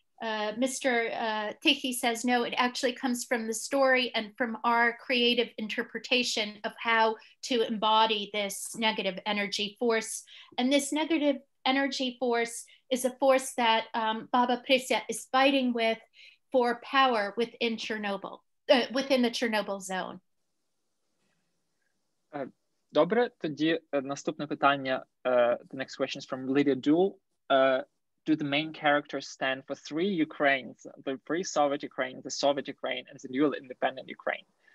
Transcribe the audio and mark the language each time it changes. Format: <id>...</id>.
<en>Tykhyy says, no, it actually comes from the story and from our creative interpretation of how to embody this negative energy force. And this negative energy force is a force that Baba Prisia is fighting with for power within Chernobyl, within the Chernobyl zone.</en> <uk>Добре, тоді наступне питання.</uk> <en>The next question is from Lydia Duhl. Do the main characters stand for three Ukraines, the pre-Soviet Ukraine, the Soviet Ukraine, and the dual independent Ukraine?</en>